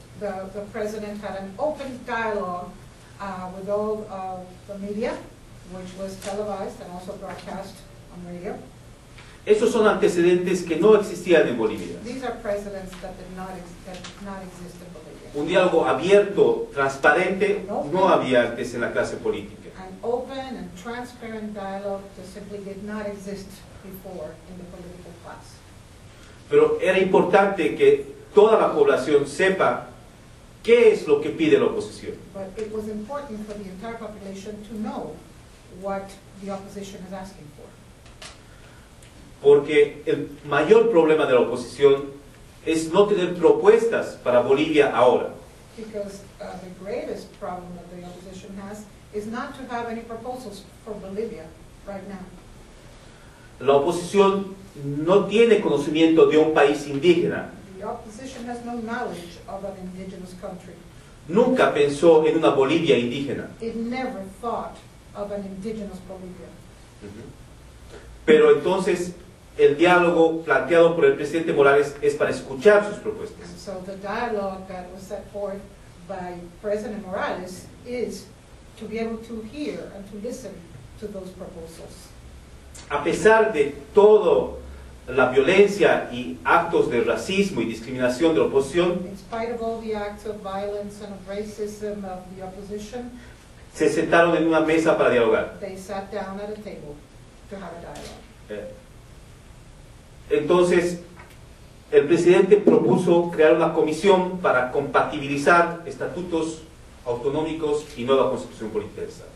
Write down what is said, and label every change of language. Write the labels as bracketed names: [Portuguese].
[English] The president had an open dialogue with all the media, which was televised and also broadcast on radio. [Spanish] Esos son antecedentes que no existían en Bolivia. [English] These are precedents that did not exist in Bolivia. [Spanish] Un diálogo abierto, transparente, no había antes en la clase política. [English] An open and transparent dialogue that simply did not exist before in the political class. [Spanish] Pero era importante que toda la población sepa ¿Qué es lo que pide la oposición? [English] But it was important for the entire population to know what the opposition is asking for. [Spanish] Porque el mayor problema de la oposición es no tener propuestas para Bolivia ahora. [English] Because the greatest problem that the opposition has is not to have any proposals for Bolivia right now. [Spanish] La oposición no tiene conocimiento de un país indígena. [English] The opposition has no knowledge of an indigenous country. [Spanish] Nunca pensó en una Bolivia indígena. [English] It never thought of an indigenous Bolivia. [Spanish] Pero entonces el diálogo planteado por el presidente Morales es para escuchar sus propuestas. [English] And so the dialogue that was set forth by President Morales is to be able to hear and to listen to those proposals. [Spanish] A pesar de todo la violencia y actos de racismo y discriminación de la oposición, [English] in spite of all the acts of violence and of racism of the opposition, [Spanish] se sentaron en una mesa para dialogar. [English] They sat down at a table to have a dialogue. [Spanish] Entonces, el presidente propuso crear una comisión para compatibilizar estatutos autonómicos y nueva constitución política del Estado.